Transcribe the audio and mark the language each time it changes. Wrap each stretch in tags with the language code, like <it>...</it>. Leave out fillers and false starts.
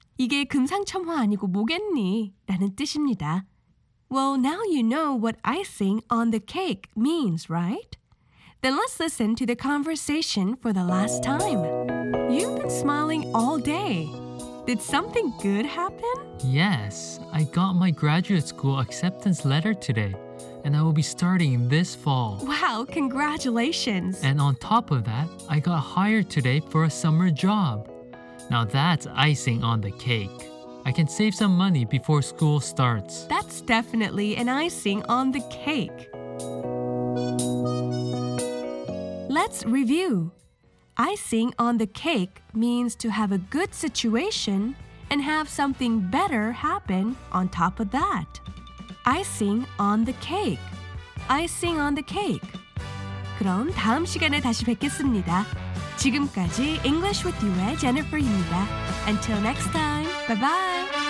<ko>이게 금상첨화 아니고 뭐겠니? 라는 뜻입니다.</ko> <en>Well, now you know what icing on the cake means, right? Then let's listen to the conversation for the last time. You've been smiling all day. Did something good happen? Yes, I got my graduate school acceptance letter today. And I will be starting this fall. Wow, congratulations. And on top of that, I got hired today for a summer job. Now that's icing on the cake. I can save some money before school starts. That's definitely an icing on the cake. Let's review. Icing on the cake means to have a good situation and have something better happen on top of that. Icing on the cake. Icing on the cake.</en> <ko>그럼 다음 시간에 다시 뵙겠습니다. 지금까지 English with You의 Jennifer입니다.</ko> <en>Until next time, bye-bye.</en>